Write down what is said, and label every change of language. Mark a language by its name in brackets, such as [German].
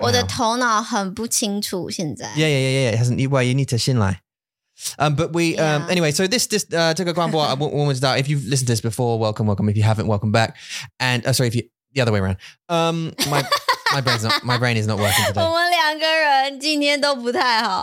[Chinese] 我的头脑很不清楚现在 [English] Yeah. It hasn't, well, you need to 信赖 But we, anyway, so this [Chinese] 这个广播 [English] I want to start. If you've listened to this before, welcome. If you haven't, welcome back. And, sorry, if you, the other way around. My brain is not working today. [Chinese] 我们两个人今天都不太好。